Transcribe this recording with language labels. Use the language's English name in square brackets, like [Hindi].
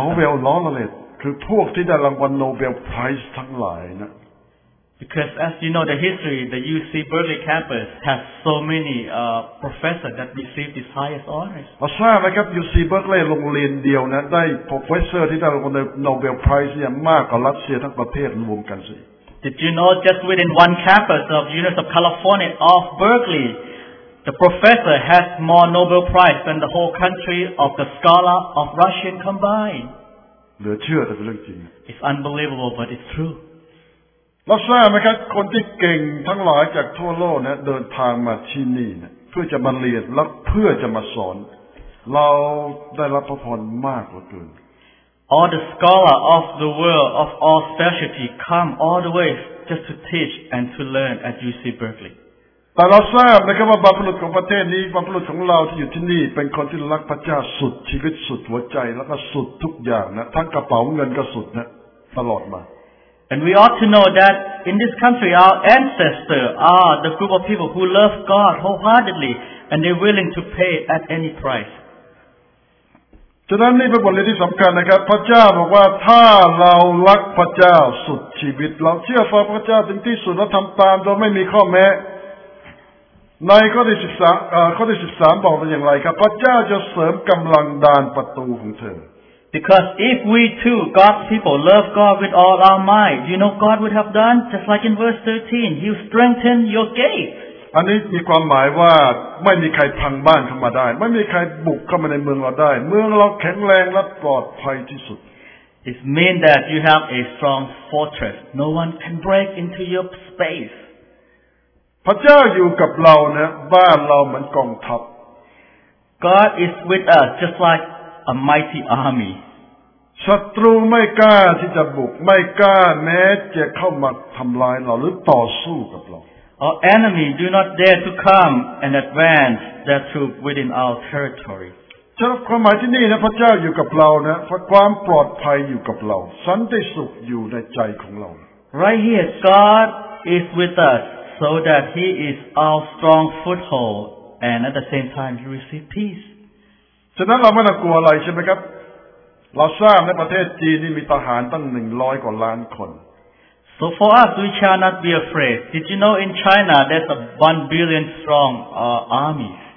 [English] Nobel laureate [Thai] คือพวกที่ได้รางวัลโนเบลไพรส์ทั้งหลายนะ [English] Because as you know the history, the UC Berkeley campus has so many professors that received these highest honors. I saw [Thai] นะครับ UC Berkeley โรงเรียนเดียวนะได้ professor ที่ได้รับ Nobel Prize เนี่ยมากกว่ารัสเซียทั้งประเทศรวมกันสิ [English] Did you know just within one campus of University of California of Berkeley, the professor has more Nobel Prize than the whole country of the scholar of Russian combined. [Thai] เหลือเชื่อแต่เป็นเรื่องจริง [English] It's unbelievable, but it's true. [Thai] เราทราบไหมครับคนที่เก่งทั้งหลายจากทั่วโลกนะเดินทางมาที่นี่นะเพื่อจะมาเรียนและเพื่อจะมาสอนเราได้รับพระพรมากกว่าเกิน [English] All the scholar of the world of all specialty come all the way just to teach and to learn at UC Berkeley [Thai] แต่เราทราบนะครับว่าบรรพบุรุษของประเทศนี้บรรพบุรุษของเราที่อยู่ที่นี่เป็นคนที่รักพระเจ้าสุดชีวิตสุดหัวใจแล้วก็สุดทุกอย่างนะทั้งกระเป๋าเงินก็สุดนะตลอดมา [English] And we ought to know that in this country, our ancestors are the group of people who love God wholeheartedly, and they're willing to pay at any price. [Thai] ฉะนั้นนี่เป็นบทเรียนที่สำคัญนะครับพระเจ้าบอกว่าถ้าเรารักพระเจ้าสุดชีวิตเราเชื่อฟังพระเจ้าถึงที่สุดและทำตามโดยไม่มีข้อแม้ในข้อที่13บอกเป็นอย่างไรครับพระเจ้าจะเสริมกำลังด่านประตูของเธอ [English] Because if we too, God's people, love God with all our might, you know God would have done? Just like in verse 13, He'll strengthen your gate. [Thai] อันนี้มีความหมายว่าไม่มีใครพังบ้านเข้ามาได้ไม่มีใครบุกเข้ามาในเมืองเราได้เมืองเราแข็งแรงและปลอดภัยที่สุด [English] It means that you have a strong fortress. No one can break into your space. [Thai] พระเจ้าอยู่กับเรานะบ้านเราเหมือนกองทัพ [English] God is with us just likeA mighty army. [Thai] ศัตรูไม่กล้าที่จะบุกไม่กล้าแม้จะเข้ามาทำลายเราหรือต่อสู้กับเรา [English] Our enemy do not dare to come and advance their troops within our territory. [Thai] ฉะนั้นความหมายที่นี่นะพระเจ้าอยู่กับเรานะความปลอดภัยอยู่กับเราสันติสุขอยู่ในใจของเรา [English] Right here, God is with us so that He is our strong foothold and at the same time you receive peace. [Thai] ฉะนั้นเราไม่ต้องกลัวอะไรใช่ไหมครับเราทราบในประเทศจีนนี่มีทหารตั้ง100กว่าล้านคน [English] So for us we shall not be afraid Did you know in China there's a 1 billion strong army